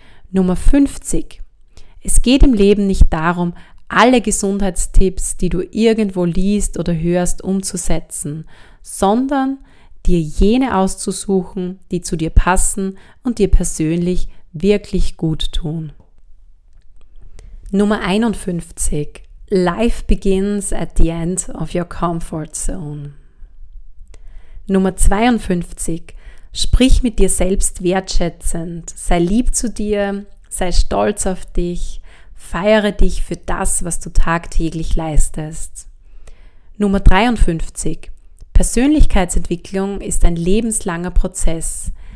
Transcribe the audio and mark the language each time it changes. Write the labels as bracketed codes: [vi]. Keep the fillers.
[de] Nummer 50. Es geht im Leben nicht darum, alle Gesundheitstipps, die du irgendwo liest oder hörst, umzusetzen, sondern dir jene auszusuchen, die zu dir passen und dir persönlich wirklich gut tun. Nummer 51. [en] Life begins at the end of your comfort zone. [de] Nummer 52. Sprich mit dir selbst wertschätzend. Sei lieb zu dir, sei stolz auf dich, feiere dich für das, was du tagtäglich leistest. Nummer 53. Persönlichkeitsentwicklung ist ein lebenslanger Prozess.